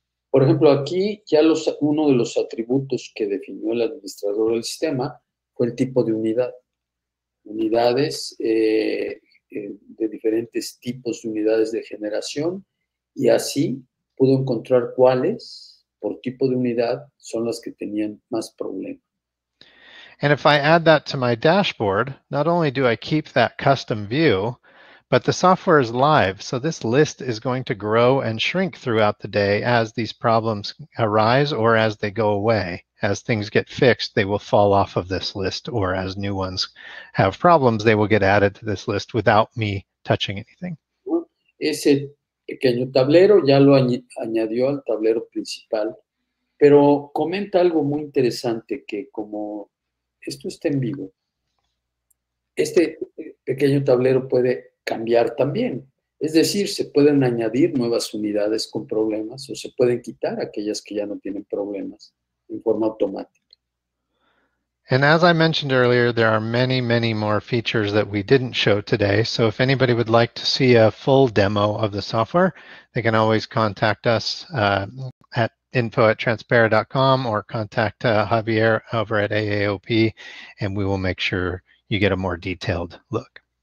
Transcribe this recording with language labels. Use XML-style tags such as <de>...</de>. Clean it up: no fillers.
<es>Por ejemplo, aquí ya uno de los atributos que definió el administrador del sistema fue el tipo de unidad. Unidades de diferentes tipos de unidades de generación, y así pudo encontrar cuáles, por tipo de unidad, son las que tenían más problemas.</es> <en>And if I add that to my dashboard, not only do I keep that custom view, but the software is live, so this list is going to grow and shrink throughout the day as these problems arise or as they go away. As things get fixed, they will fall off of this list, or as new ones have problems, they will get added to this list without me touching anything.</en> <es>Ese pequeño tablero ya lo añadió al tablero principal, pero comenta algo muy interesante, que como esto está en vivo, este pequeño tablero puede cambiar también. Es decir, se pueden añadir nuevas unidades con problemas o se pueden quitar aquellas que ya no tienen problemas.</es> <en>And as I mentioned earlier, there are many, many more features that we didn't show today. So if anybody would like to see a full demo of the software, they can always contact us at info@transpara.com or contact Javier over at AAOP, and we will make sure you get a more detailed look.</en>